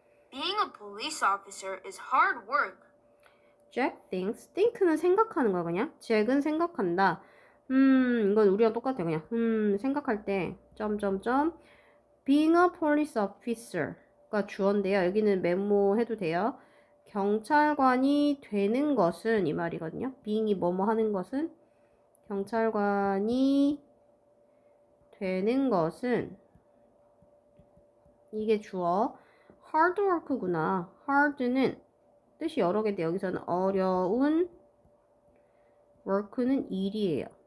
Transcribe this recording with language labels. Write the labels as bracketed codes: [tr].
[en] Being a police officer is hard work. Jack thinks. [ko] Think는 생각하는 거야, 그냥. Jack은 생각한다. 이건 우리랑 똑같아, 그냥. 생각할 때. 점점점. [en] Being a police officer가 [ko] 주어인데요. 여기는 메모해도 돼요. 경찰관이 되는 것은 이 말이거든요. Being이 뭐뭐 하는 것은? 경찰관이 되는 것은? 이게 주어. Hardwork구나. Hard는 뜻이 여러 개인데 여기서는 어려운 work는 일이에요.